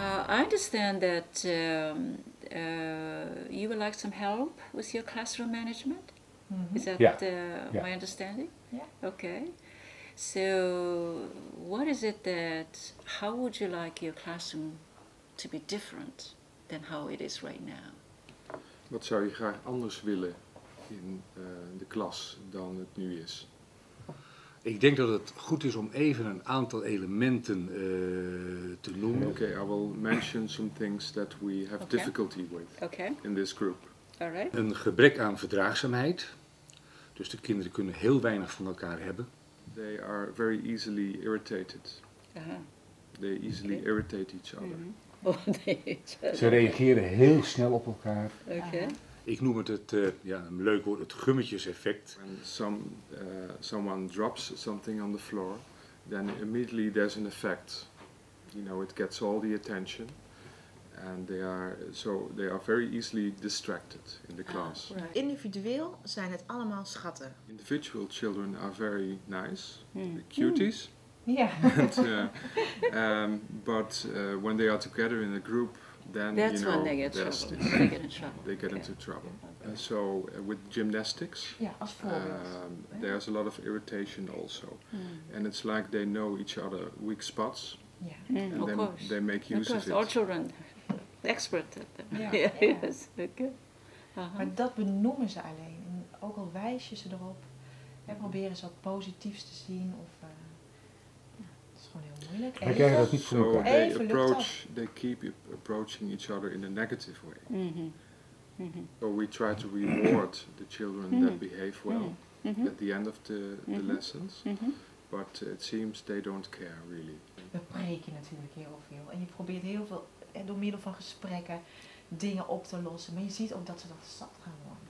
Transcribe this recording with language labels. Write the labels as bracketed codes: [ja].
[en] I understand that you would like some help with your classroom management. Mm-hmm. Is that my understanding? Yeah. Okay. So what is it that, how would you like your classroom to be different than how it is right now? [nl] Wat zou je graag anders willen in de klas dan het nu is? Ik denk dat het goed is om even een aantal elementen te noemen. [en] Oké, okay, I will mention some things that we have difficulty with in this group. All right. [nl] Een gebrek aan verdraagzaamheid. Dus de kinderen kunnen heel weinig van elkaar hebben. [en] They are very easily irritated. Uh-huh. They easily irritate each other. Mm-hmm. [nl] Ze reageren heel snel op elkaar. [en] Okay. [nl] Ik noem het een leuk woord, het gummetjeseffect. [en] When someone drops something on the floor, then immediately there's an effect. You know, it gets all the attention. And they are very easily distracted in the class. Right. [nl] Individueel zijn het allemaal schatten. [en] Individual children are very nice, the cuties. Yeah. But when they are together in a group, They get into trouble. Okay. So with gymnastics, there's a lot of irritation also. Mm. And it's like they know each other weak spots. Yeah. Mm. And they make use of it. Our children expert at them. [nl] Yes. Uh-huh. Maar dat benoemen ze alleen. En ook al wijs je ze erop. En proberen ze wat positiefs te zien of heel moeilijk. [en] Even so they approach, they keep approaching each other in a negative way. Mm-hmm. Mm-hmm. So we try to reward the children that behave well at the end of the lessons. Mm-hmm. But it seems they don't care really. [nl] We preken natuurlijk heel veel. En je probeert heel veel door middel van gesprekken dingen op te lossen. Maar je ziet ook dat ze dat zat gaan worden.